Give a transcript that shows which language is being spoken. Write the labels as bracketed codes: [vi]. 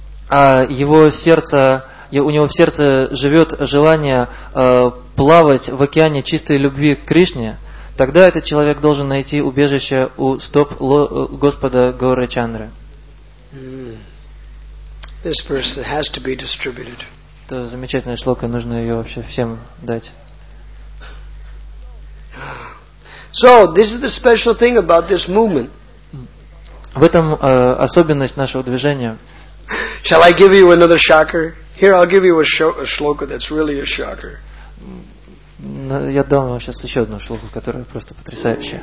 [ru] у него в сердце живет желание плавать в океане чистой любви к Кришне, тогда этот человек должен найти убежище у стоп Господа Гауры Чандры. [en] This verse has to be distributed. [ru] Это замечательная шлока, нужно ее вообще всем дать. [en] So, this is the special thing about this movement. [ru] В этом особенность нашего движения. [en] Shall I give you another shocker? Here, I'll give you a shloka that's really a shocker. [ru] Я дам вам сейчас еще одну шлоку, которая просто потрясающая.